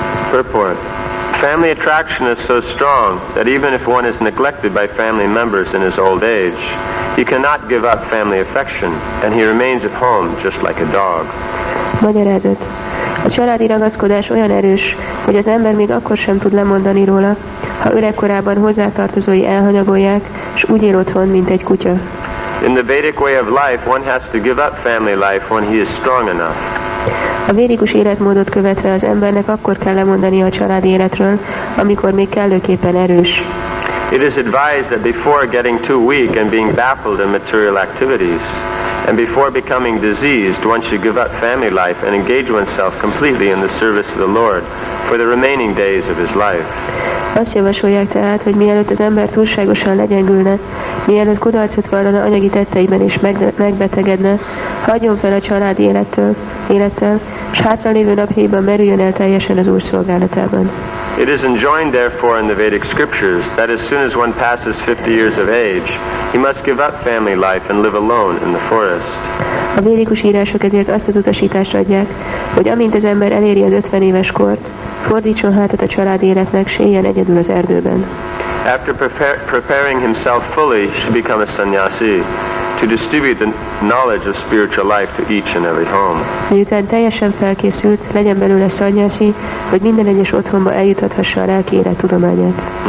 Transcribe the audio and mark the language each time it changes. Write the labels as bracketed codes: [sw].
[en] Purport. Family attraction is so strong that even if one is neglected by family members in his old age, he cannot give up family affection, and he remains at home just like a dog. [hu] Magyarázat. A családi ragaszkodás olyan erős, hogy az ember még akkor sem tud lemondani róla, ha öregkorában hozzátartozói elhanyagolják, és úgy él otthon, mint egy kutya. [en] In the Vedic way of life, one has to give up family life when he is strong enough. [hu] A védikus életmódot követve az embernek akkor kell lemondani a családi életről, amikor még kellőképpen erős. [en] It is advised that before getting too weak and being baffled in material activities, and before becoming diseased, one should give up family life and engage oneself completely in the service of the Lord for the remaining days of his life. [hu] Azt javasolják tehát, hogy mielőtt az ember túlságosan legyengülne, mielőtt kudarcot vallana anyagi tetteiben és megbetegedne, hagyjon fel a családi élettel, s hátralévő napjaiban merüljön el teljesen az Úr szolgálatában. [en] It is enjoined, therefore, in the Vedic scriptures that as soon as one passes 50 years of age, he must give up family life and live alone in the forest. [hu] A védikus írások ezért azt az utasítást adják, hogy amint az ember eléri az 50 éves kort, fordítson hátat a családi életnek, s éljen egyedül az erdőben. [en] After preparing himself fully, he should become a sannyasi, to distribute the knowledge of spiritual life to each and every home. [hu] Miután teljesen felkészült, legyen belőle szanyászi, hogy minden egyes otthonba eljuthassa a lelki élet tudományát.